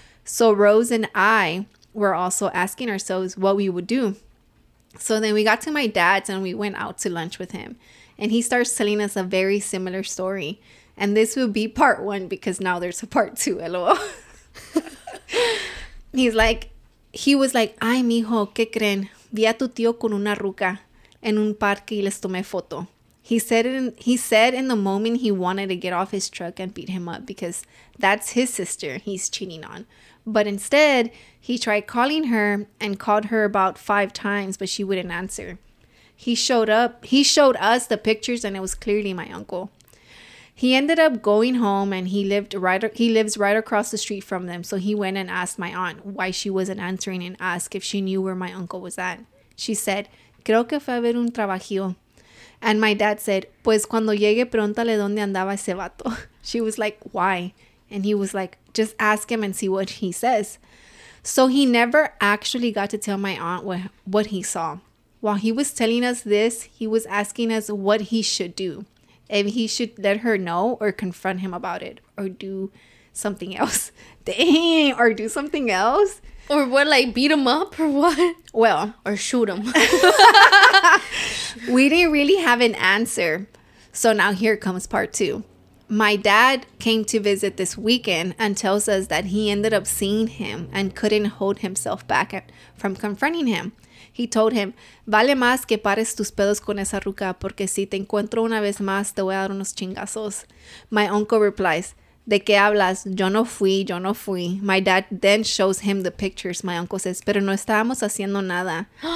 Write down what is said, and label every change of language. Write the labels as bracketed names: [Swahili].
[English] So Rose and I were also asking ourselves what we would do. So then we got to my dad's and we went out to lunch with him. And he starts telling us a very similar story. And this will be part one because now there's a part two, LOL. He was like, [Spanish] ay, mijo, ¿qué creen? Vi a tu tío con una ruca en un parque y les tomé foto. [English] He said in the moment he wanted to get off his truck and beat him up because that's his sister he's cheating on. But instead, he tried calling her and called her about 5 times, but she wouldn't answer. He showed us the pictures and it was clearly my uncle. He ended up going home and he lives right across the street from them. So he went and asked my aunt why she wasn't answering and asked if she knew where my uncle was at. She said, [Spanish] creo que fue a ver un trabajillo. [English] And my dad said, [Spanish] pues cuando llegue, pregúntale dónde andaba ese vato. [English] She was like, why? And he was like, just ask him and see what he says. So he never actually got to tell my aunt what he saw. While he was telling us this, he was asking us what he should do. If he should let her know or confront him about it or do something else. Dang, or do something else? Or what, like beat him up or what? Well. Or shoot him. We didn't really have an answer. So now here comes part two. My dad came to visit this weekend and tells us that he ended up seeing him and couldn't hold himself back from confronting him. He told him, [Spanish] vale más que pares tus pedos con esa ruca porque si te encuentro una vez más te voy a dar unos chingazos. [English] My uncle replies, [Spanish] ¿de qué hablas? Yo no fui. [English] My dad then shows him the pictures. My uncle says, [Spanish] pero no estábamos haciendo nada.